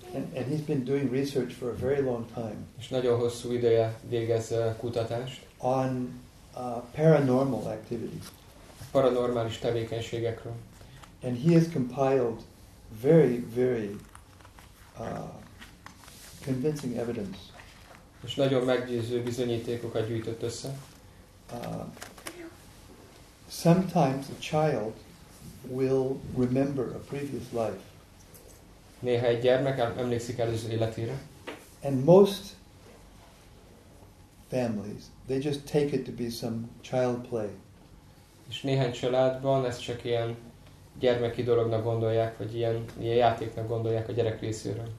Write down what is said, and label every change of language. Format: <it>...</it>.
<en>And he's been doing research for a very long time.</en> <hu>És nagyon hosszú ideje végez kutatást.</hu> <en>On paranormal activity.</en> <hu>Paranormális tevékenységekről.</hu> <en>And he has compiled very, very convincing evidence.</en> <hu>És nagyon meggyőző bizonyítékokat gyűjtött össze.</hu> <en>Sometimes a child will remember a previous life.</en> <hu>Néha egy gyermek emlékszik előző életére.</hu> <en>And most families, they just take it to be some child play.</en> <hu>És néhány családban ez csak ilyen gyermeki dolognak gondolják, vagy ilyen játéknak gondolják a gyerek részéről.</hu>